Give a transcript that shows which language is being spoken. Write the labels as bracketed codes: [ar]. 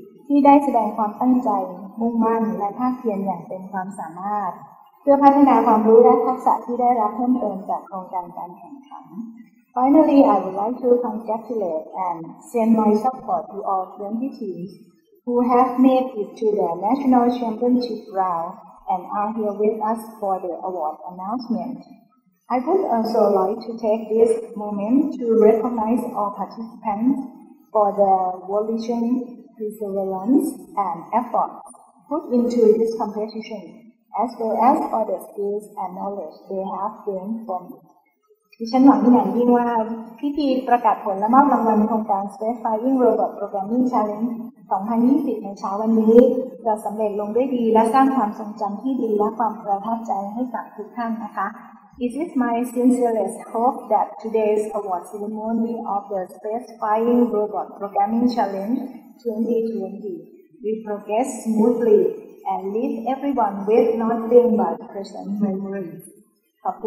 [th] ที่ได้แสดงความตั้งใจมุ่งมั่นและภาคเพียรอย่างเต็มความสามารถเพื่อพัฒนาความรู้และทักษะที่ได้รับเพิ่มเติมจากโครงการการแข่งขัน [en] Finally, I would like to congratulate and send my support to all 20 teams who have made it to the National Championship round and are here with us for the award announcement. I would also like to take this moment to recognize all participants for their volition, perseverance, and effort put into this competition, as well as for the skills and knowledge they have gained from it. [th] ดิฉันหวังอย่างยิ่งว่าพิธีประกาศผลและมอบรางวัลโครงการ Space Flying Robot Programming Challenge 2020ในเช้าวันนี้จะสำเร็จลงด้วยดีและสร้างความทรงจำที่ดีและความประทับใจให้กับทุกท่านนะคะ [en] It is my sincerest hope that today's award ceremony of the Space Flying Robot Programming Challenge 2020 will progress smoothly and leave everyone with nothing but present memories [th] ขอบค